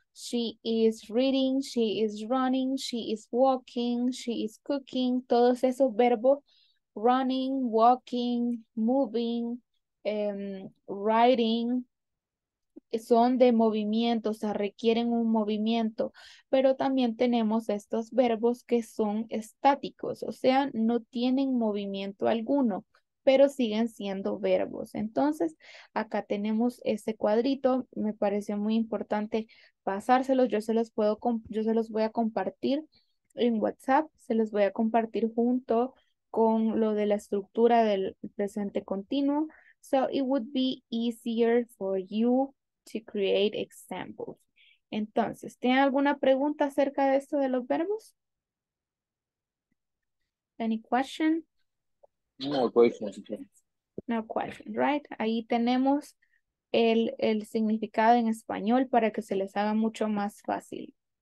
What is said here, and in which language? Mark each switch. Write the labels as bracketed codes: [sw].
[en] She is reading, she is running, she is walking, she is cooking, [es] todos esos verbos, running, walking, moving, writing, son de movimiento, o sea, requieren un movimiento, pero también tenemos estos verbos que son estáticos, o sea, no tienen movimiento alguno, pero siguen siendo verbos. Entonces, acá tenemos ese cuadrito, me pareció muy importante pasárselos, yo se los voy a compartir en WhatsApp, se los voy a compartir junto con lo de la estructura del presente continuo. [en] So it would be easier for you to create examples. [es] Entonces, ¿tienen alguna pregunta acerca de esto de los verbos? [en] Any question? No question. No question, right? [es] Ahí tenemos el significado en español para que se les haga mucho más fácil.